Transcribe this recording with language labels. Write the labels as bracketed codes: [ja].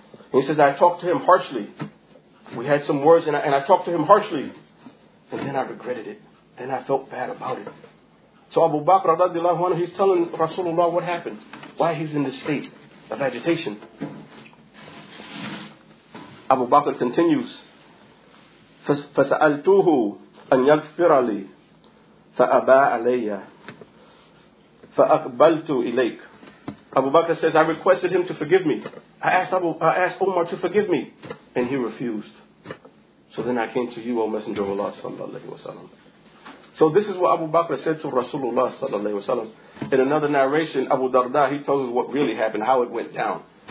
[en] He says, I talked to him harshly. We had some words and I talked to him harshly. And then I regretted it. Then I felt bad about it. So Abu Bakr radiallahu anhu, he's telling Rasulullah what happened, why he's in this state of agitation. Abu Bakr continues, [ar] فَسَأَلْتُهُ أَنْ يَغْفِرَ لِي فَأَبَى عَلَيَّ فَأَقْبَلْتُ إِلَيْكَ. [en] Abu Bakr says, I requested him to forgive me. I asked Umar to forgive me, and he refused. So then I came to you, O Messenger of Allah sallallahu alayhi wa sallam. So this is what Abu Bakr said to Rasulullah sallallahu alayhi wa sallam. In another narration, Abu Darda, he tells us what really happened, how it went down.